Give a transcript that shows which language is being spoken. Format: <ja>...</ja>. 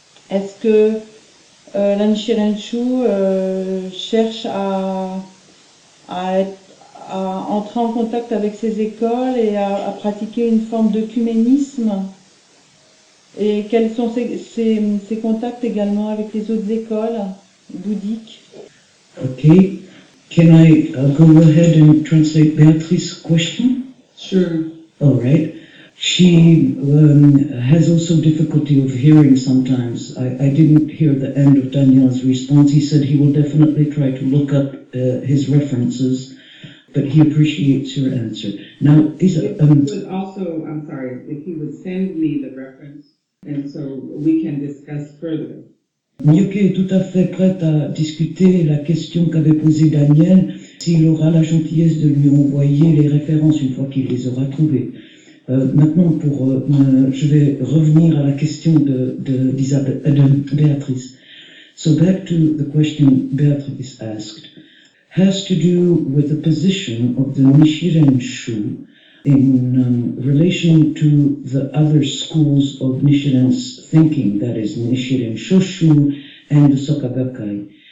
<fr>Est-ce que la Nichiren Shu cherche à entrer en contact avec ses écoles et à pratiquer une forme d'œcuménisme? Et quels sont ses contacts également avec les autres écoles bouddhiques? Ok.</fr> <en>Can I go ahead and translate Beatrice's question? Sure. All right. She has also difficulty of hearing sometimes. I didn't hear the end of Daniel's response. He said he will definitely try to look up his references, but he appreciates your answer. Now, if he would send me the reference, and so we can discuss further.</en> <fr>Nyoke est tout à fait prête à discuter la question qu'avait posée Daniel s'il aura la gentillesse de lui envoyer les références une fois qu'il les aura trouvées. Maintenant, pour je vais revenir à la question de Béatrice.</fr> <en>So back to the question Beatrice asked, has to do with the position of the Nichiren-shu in relation to the other schools of Nichiren's thinking, that is Nichiren-shoshu and the Sokagakai.</en>